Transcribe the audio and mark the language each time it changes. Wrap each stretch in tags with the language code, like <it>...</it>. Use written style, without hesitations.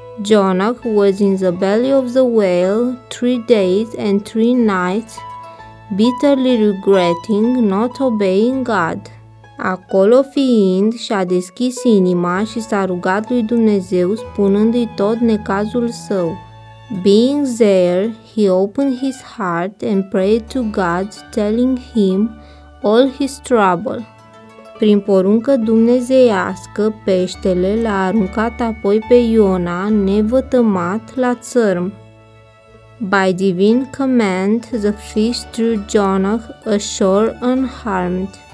<en>Jonah was in the belly of the whale 3 days and 3 nights, bitterly regretting not obeying God.</en> <ro>Acolo fiind, și-a deschis inima și s-a rugat lui Dumnezeu, spunându-i tot necazul său.</ro> <en>Being there, he opened his heart and prayed to God, telling him all his trouble.</en> <ro>Prin poruncă dumnezeiască, peștele l-a aruncat apoi pe Iona, nevătămat, la țărm.</ro> <en>By divine command, the fish drew Jonah ashore unharmed.</en>